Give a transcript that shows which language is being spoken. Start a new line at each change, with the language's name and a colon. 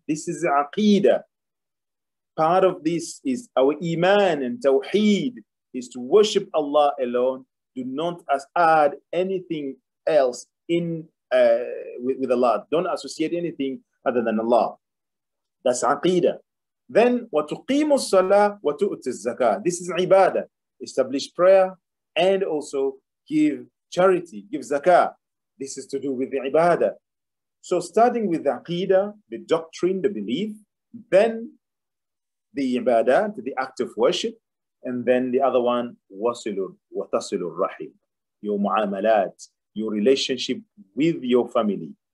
English: This is aqeedah. Part of this is our iman and tawheed, is to worship Allah alone. Do not add anything else in with Allah. Don't associate anything other than Allah. That's aqeedah. Then,
Arabic: وَتُقِيمُ الصَّلَاةِ وَتُؤْتِ الزَّكَاةِ.
English: This is ibadah. Establish prayer and also give charity, give zakah. This is to do with the ibadah. So starting with the aqidah, the doctrine, the belief, then the ibadah, the act of worship, and then the other one,
Arabic: wasilun wa tasilur rahim,
English: your mu'amalat, your relationship with your family.